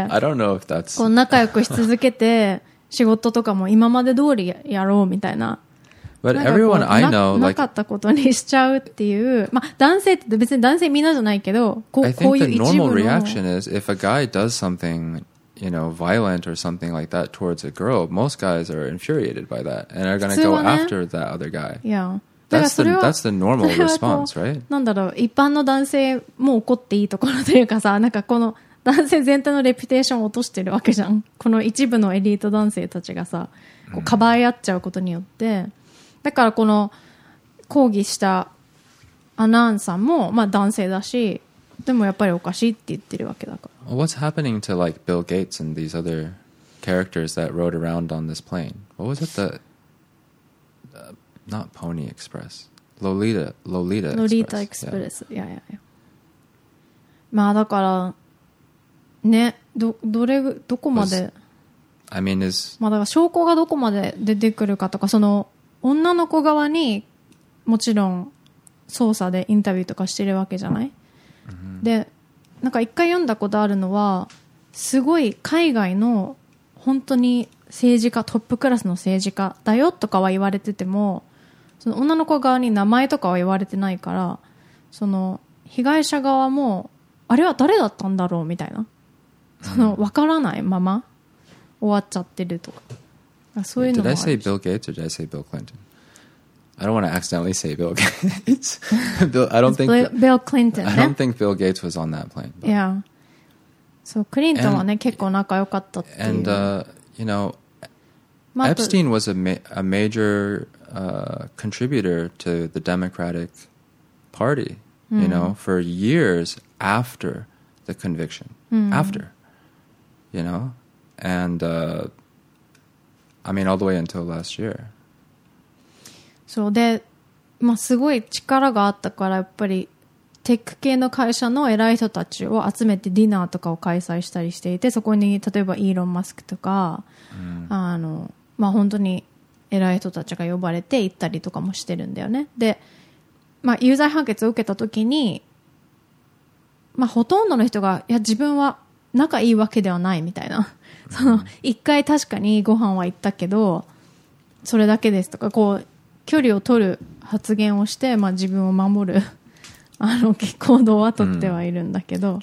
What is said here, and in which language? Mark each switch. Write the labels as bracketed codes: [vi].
[en] I don't know if that's... [ja] こう仲良くし続けて仕事とかも今まで通りやろうみたいな [en] But everyone I know, [ja] なかったことにしちゃうっていう、まあ、男性って別に男性みんなじゃないけど、こう、こういう一部の。 [en] I think the normal reaction is if a guy does something, you know, violent or something like that towards a girl, most guys are infuriated by that and are going to go after that other guy. Yeah. That's the normal response, right? [ja] なんだろう、一般の男性も怒っていいところというかさ、なんかこの男性全体のレピュテーションを落としてるわけじゃん。この一部のエリート男性たちがさ、こうかばい合っちゃうことによって、だからこの抗議したアナーンさんも、まあ、男性だしでもやっぱりおかしいって言ってるわけだから [en] What's happening to like Bill Gates and these other characters that rode around on this plane? What was it that not Pony Express Lolita Express Lolita Express、yeah. Yeah, yeah, yeah. [ja] まあだからね どこまで [en] was, I mean is [ja] まあだから証拠がどこまで出てくるかとかその女の子側にもちろん捜査でインタビューとかしてるわけじゃない、 mm-hmm. でなんか一回読んだことあるのはすごい海外の本当に政治家トップクラスの政治家だよとかは言われててもその女の子側に名前とかは言われてないからその被害者側もあれは誰だったんだろうみたいなその分からないまま終わっちゃってるとかそういうのもある [en] Did I say Bill Gates or did I say Bill Clinton? I don't want to accidentally say Bill Gates. Bill, I don't think Bill Clinton. I don't think Bill Gates was on that plane. But... Yeah. So [ja] Clinton はね結構仲良かったっていう。 [en] And you know, Epstein was a major contributor to the Democratic Party. You know, for years after the conviction, after, you know, and. I mean, all the way until last year. [ja] そうで、まあ、すごい力があったからやっぱりテック系の会社の偉い人たちを集めてディナーとかを開催したりしていてそこに例えばイーロン・マスクとか、うんまあ、本当に偉い人たちが呼ばれて行ったりとかもしてるんだよねで、まあ、有罪判決を受けた時に、まあ、ほとんどの人がいや自分は仲いいわけではないみたいなその一回確かにご飯は行ったけどそれだけですとかこう距離を取る発言をして、まあ、自分を守るあの行動は取ってはいるんだけど、